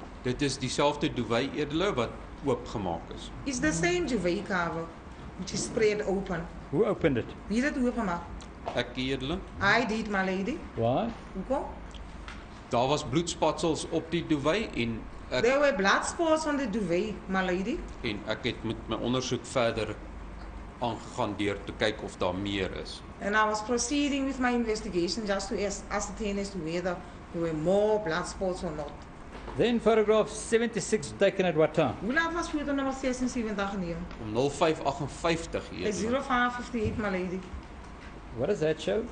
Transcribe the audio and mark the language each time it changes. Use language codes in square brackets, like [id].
[af] Dit is dieselfde duvet edele wat oop gemaak is. [en] It's the same duvet cover, which is spread open. Who opened it? [af] Wie het dit oopgemaak? Ek edele. [en] I did, my lady. Why? [af] Hoekom? Daar was bloedspatsels op die duvet en [en] there were blood spots on the duvet, my lady. [af] En ek het met my ondersoek verder aangegaan deur te kyk of daar meer is. [en] And I was proceeding with my investigation just to ascertain as to whether there were more blood spots or not. Then photograph 76 taken at what time? [af] Hoe laat was foto nummer 76 geneem? Om 05:58 hier. [en] 05:58 my lady. What does that show?